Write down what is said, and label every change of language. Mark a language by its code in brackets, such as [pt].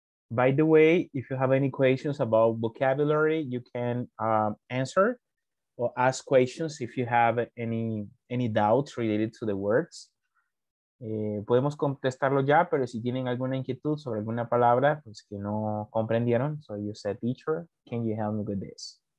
[en] By the way, if you have any questions about vocabulary, you can answer or ask questions if you have any doubts related to the words. [es] Podemos contestarlo ya, pero si tienen alguna inquietud sobre alguna palabra, pues que no comprendieron. [en] So you said, teacher, can you help me with this?